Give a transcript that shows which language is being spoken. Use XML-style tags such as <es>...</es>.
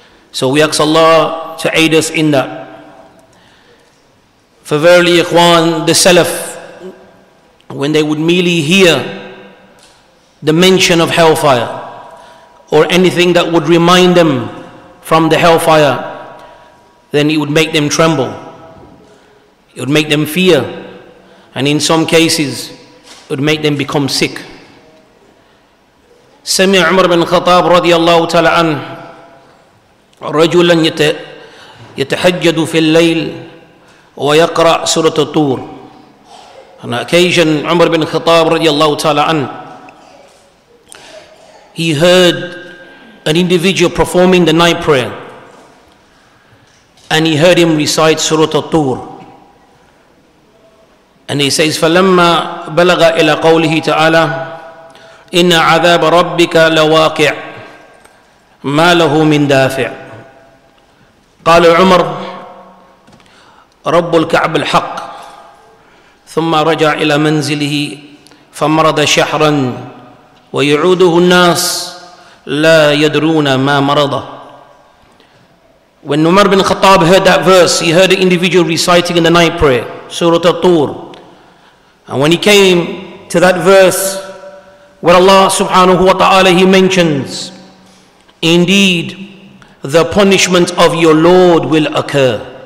<en>So we ask Allah to aid us in that. For verily, Ikhwan, the Salaf, when they would merely hear the mention of hellfire or anything that would remind them from the hellfire, then it would make them tremble, it would make them fear, and in some cases it would make them become sick.</en> <ar>سمع عمر بن الخطاب رضي الله تعالى عنه رجلا يتحجد في الليل ويقرأ سورة الطور.</ar> <en>On occasion, عمر بن الخطاب</en> <ar>رضي الله تعالى عنه,</ar> <en>he heard an individual performing the night prayer, and he heard him recite سورة الطور. And he says,</en> <ar>فَلَمَّا بَلَغَ إِلَى قَوْلِهِ تَعَالَى إِنَّ عَذَابَ رَبِّكَ لَوَاقِعَ مَا لَهُ مِنْ دَافِعَ قال عمر رب الكعب الحق ثم رجع إلى منزله فمرض شهرا ويعوده الناس لا يدرون ما مرضه.</ar> <en>When Umar bin Khattab heard that verse, he heard an individual reciting in the night prayer, Surah At-Tur. And when he came to that verse where Allah subhanahu wa ta'ala, he mentions, indeed, the punishment of your Lord will occur.</en>